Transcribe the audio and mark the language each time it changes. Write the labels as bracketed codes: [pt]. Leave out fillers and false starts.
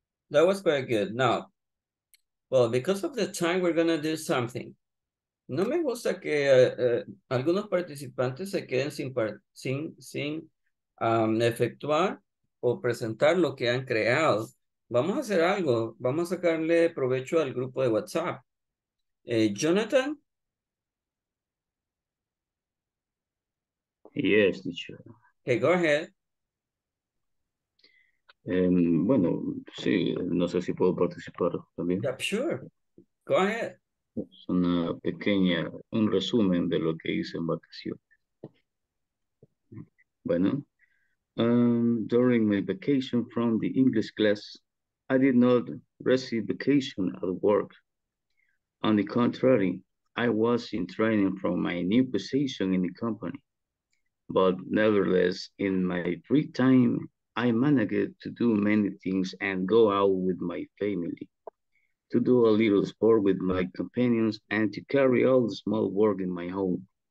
[en] That was quite good. Now, well, because of the time, we're going to do something. [es] No me gusta que algunos participantes se queden sin efectuar o presentar lo que han creado. Vamos a hacer algo. Vamos a sacarle provecho al grupo de WhatsApp. Jonathan. [en] Yes, teacher. Okay, go ahead. [es] Bueno, sí, no sé si puedo participar también. [en] Yeah, sure. Go ahead. [es] Es una pequeña, un resumen de lo que hice en vacaciones. [en] Bueno, during my vacation from the English class, I did not receive vacation at work. On the contrary, I was in training from my new position in the company. But nevertheless, in my free time, I managed to do many things and go out with my family, to do a little sport with my companions, and to carry all the small work in my home.